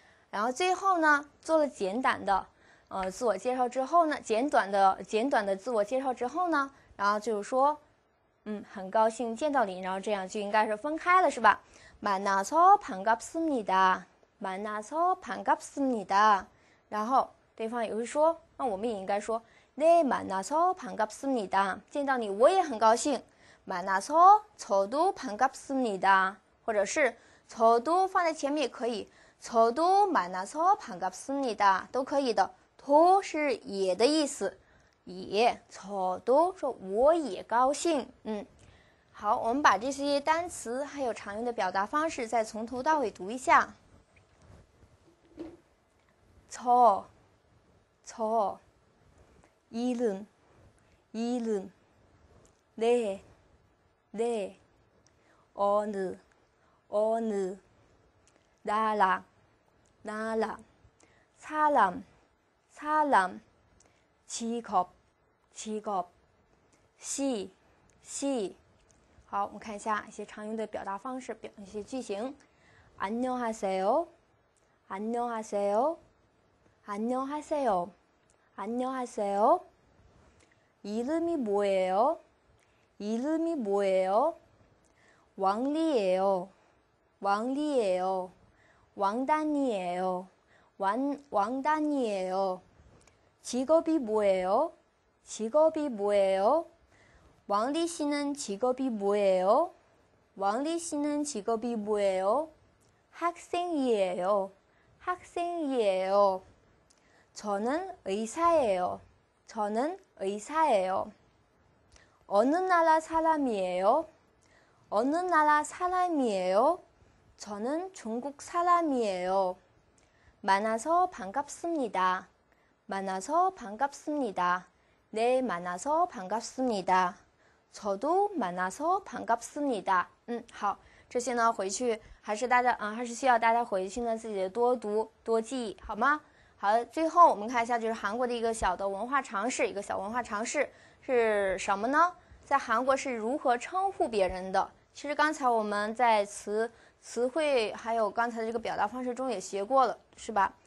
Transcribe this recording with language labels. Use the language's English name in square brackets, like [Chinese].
[Chinese] 然后最后呢，做了简短的自我介绍之后呢，简短的自我介绍之后呢，然后就是说。很高兴见到你，然后这样就应该是分开了，是吧？ [Korean] 만나서반갑습니다，만나서반갑습니다。 [Chinese] 然后对方也会说，那我们也应该说， [Korean] 네, 만나서 반갑습니다. [Chinese] 见到你我也很高兴。 [Korean] 만나서 저도 반갑습니다. [Chinese] 或者是 저도 放在前面也可以。 [Korean] 저도 만나서 반갑습니다. [Chinese] 都可以的。도是也的意思。 [Korean] 예, 저도 [Chinese] 说我也高兴。好，我们把这些单词还有常用的表达方式再从头到尾读一下。 [Korean] 저저이름이름네네어느어느나라나라사람사람직업직업시시 [Chinese] 好，我们看一下一些常用的表达方式，一些句型。 [Korean] 안녕하세요，안녕하세요，안녕하세요，안녕하세요。 이름이뭐예요，이름이뭐예요。 왕리예요，왕리예요，왕단이에요，왕단이에요。 직업이뭐예요，직업이뭐예요。王立新은직업이뭐예요？王立新은직업이뭐예요？ 학생이에요，학생이에요。 저는의사예요，저는의사예요。 어느나라사람이에요？ 어느나라사람이에요？ 저는중국사람이에요。 만나서반갑습니다，만나서반갑습니다。 네，만나서반갑습니다。 저도 만나서 반갑습니다. [Chinese] 好，这些呢，回去还是大家还是需要大家回去呢自己多读多记忆，好吗？好，最后我们看一下，就是韩国的一个小的文化常识，一个小文化常识是什么呢？在韩国是如何称呼别人的？其实刚才我们在词汇还有刚才这个表达方式中也学过了，是吧？